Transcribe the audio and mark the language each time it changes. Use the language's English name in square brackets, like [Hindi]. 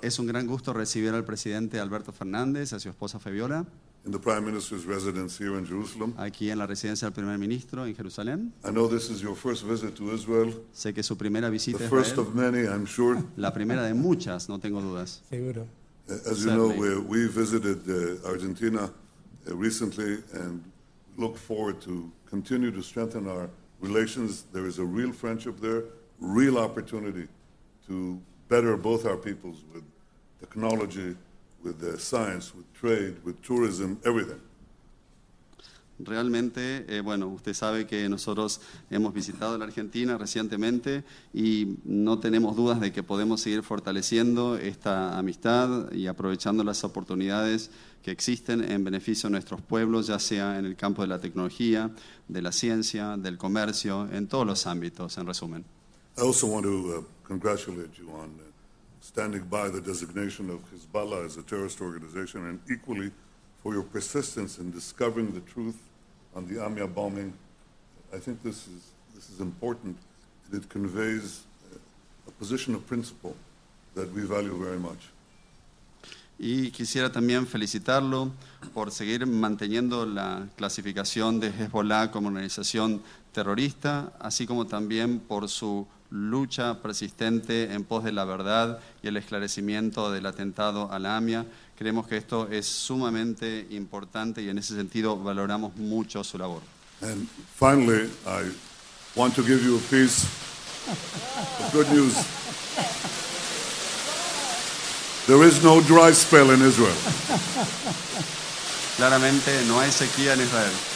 [Spanish] Es un gran gusto recibir al presidente Alberto Fernández, a su esposa Fabiola, [English] in the Prime Minister's residence here in Jerusalem. [Spanish] Aquí en la residencia del primer ministro en Jerusalén. [English] I know this is your first visit to Israel. [Spanish] Sé que es su primera visita a Israel. [English] The first of many, I'm sure. [Spanish] La primera de muchas, no tengo dudas. Seguro. [English] As you know, we visited Argentina recently and look forward to continue to strengthen our relations. There is a real friendship there, real opportunity to better both our peoples with technology, with the science, with trade, with tourism, everything. [Spanish] Realmente, bueno, usted sabe que nosotros hemos visitado la Argentina recientemente y no tenemos dudas de que podemos seguir fortaleciendo esta amistad y aprovechando las oportunidades que existen en beneficio de nuestros pueblos, ya sea en el campo de la tecnología, de la ciencia, del comercio, en todos los ámbitos, en resumen. [English] I also want to congratulate you on standing by the designation of Hezbollah as a terrorist organization and equally for your persistence in discovering the truth on the Amia bombing. I think this is important, and it conveys a position of principle that we value very much. [Spanish] Y quisiera también felicitarlo por seguir manteniendo la clasificación de Hezbollah como organización terrorista, así como también por su lucha persistente en pos de la verdad y el esclarecimiento del atentado a la Amia. Creemos que esto es sumamente importante y en ese sentido valoramos mucho su labor. [English] And finally, I want to give you a piece of good news. There is no dry spell in Israel. [Spanish] Claramente no hay sequía en Israel.